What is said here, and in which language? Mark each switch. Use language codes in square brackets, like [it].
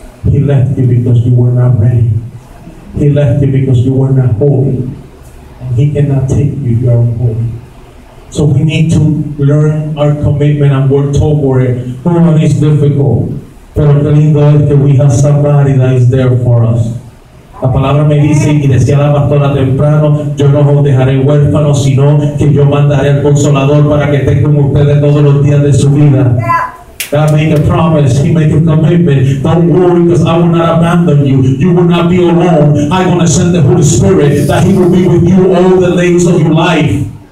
[en] He left you because you were not ready. He left you because you were not holy. And he cannot take you if you are unholy. So we need to learn our commitment and work toward it. Oh, and it's difficult. [es] Pero qué lindo es que [en] we have somebody that is there for us. [es] La palabra me dice, y decía la pastora temprano, yo no os dejaré huérfanos, sino que yo mandaré al Consolador para que esté con ustedes todos los días de su vida. [en] God made a promise. He made a commitment. Don't worry, because I will not abandon you. You will not be alone. I'm going to send the Holy Spirit, that he will be with you all the days of your life.